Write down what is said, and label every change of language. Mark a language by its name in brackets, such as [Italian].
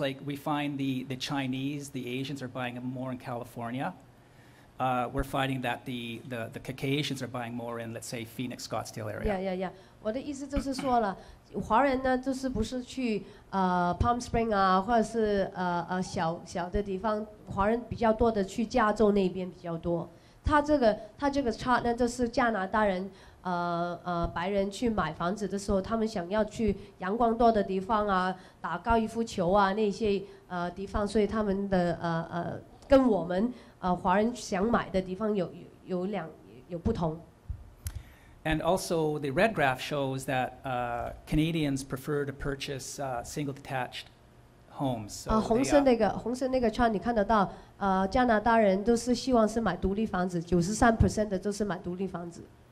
[English] Like we find the Chinese, the Asians are buying more in California. We're finding that the Caucasians are buying more in, let's say, Phoenix, Scottsdale area. Yeah, yeah, yeah. [Chinese] 我的意思就是说了，华人呢，就是不是去 Palm Springs 啊，或者是小的地方，华人比较多的去加州那边比较多。他这个 chart 呢，就是加拿大人，白人去买房子的时候，他们想要去阳光多的地方啊，打高尔夫球啊那些地方，所以他们的跟我们华人想买的地方有不同。 [English] And also, the red graph shows that Canadians prefer to purchase single detached homes. So [Chinese] 红色那个 chart 你看得到, 加拿大人都是希望是买独立房子, 93%的都是买独立房子。